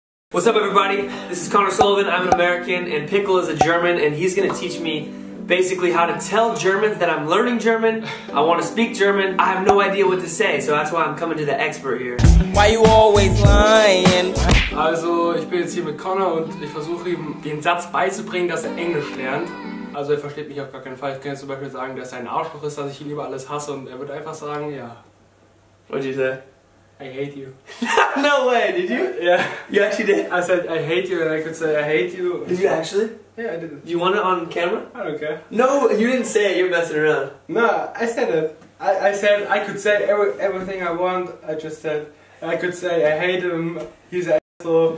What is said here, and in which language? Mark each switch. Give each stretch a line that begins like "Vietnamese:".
English: What's up, everybody? This is Connor Sullivan. I'm an American, and Pickle is a German, and he's gonna teach me basically how to tell Germans that I'm learning German. I want to speak German. I have no idea what to say, so that's why I'm coming to the expert here. Why you always lying?
German: Also, ich bin jetzt hier mit Connor und ich versuche ihm den Satz beizubringen, dass er Englisch lernt. Also er versteht mich auf gar keinen Fall. Ich könnte zum Beispiel sagen, dass sein Arschloch ist, dass ich ihn über alles hasse, und er würde einfach sagen, ja.
English: What'd you say? I hate you. No way, did you? Yeah. You actually did? I said, I hate you, and I could say, I hate you. Did you actually? Yeah, I did. You want it on camera? I don't care. No, you didn't say it, you're messing around. No, I said it. I said, I could say everything I want, I just said, I could say, I hate him, he's an asshole.